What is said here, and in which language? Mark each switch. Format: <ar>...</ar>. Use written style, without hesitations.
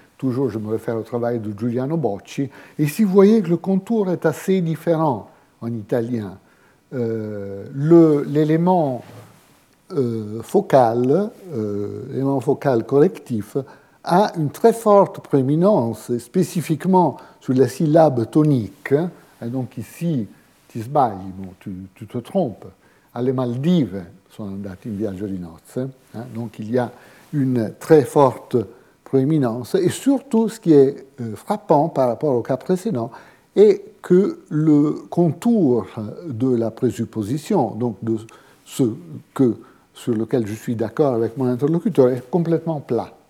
<fr>Toujours, je me réfère au travail de Giuliano Bocci. Et si vous voyez que le contour est assez différent en italien, l'élément focal, l'élément focal correctif, a une très forte prééminence, spécifiquement sur la syllabe tonique. Et donc ici,</fr> <it>ti sbagli,</it> <fr>bon, tu te trompes.</fr> <it>Alle Maldive sono andati in viaggio di nozze.</it> <fr>Hein, donc il y a une très forte prééminence. Et surtout, ce qui est frappant par rapport au cas précédent, est que le contour de la présupposition, donc de ce que, sur lequel je suis d'accord avec mon interlocuteur, est complètement plat.</fr>